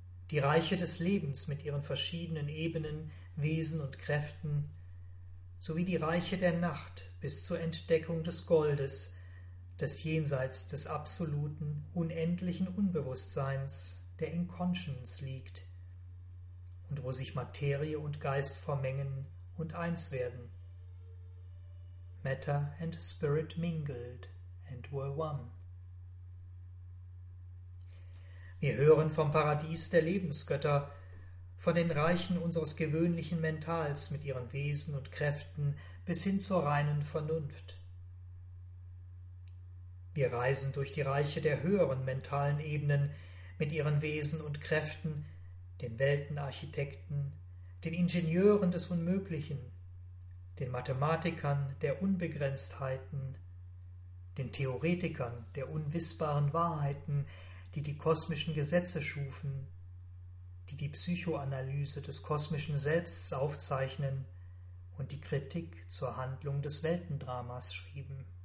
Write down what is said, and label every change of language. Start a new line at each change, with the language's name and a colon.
German: die Reiche des Lebens mit ihren verschiedenen Ebenen, Wesen und Kräften, sowie die Reiche der Nacht bis zur Entdeckung des Goldes, des Jenseits des absoluten, unendlichen Unbewusstseins, der in Conscience liegt, und wo sich Materie und Geist vermengen und eins werden.
English: Matter and Spirit mingled and were one.
German: Wir hören vom Paradies der Lebensgötter, von den Reichen unseres gewöhnlichen Mentals mit ihren Wesen und Kräften bis hin zur reinen Vernunft. Wir reisen durch die Reiche der höheren mentalen Ebenen mit ihren Wesen und Kräften, den Weltenarchitekten, den Ingenieuren des Unmöglichen, den Mathematikern der Unbegrenztheiten, den Theoretikern der unwissbaren Wahrheiten, die die kosmischen Gesetze schufen, die die Psychoanalyse des kosmischen Selbsts aufzeichnen und die Kritik zur Handlung des Weltendramas schrieben.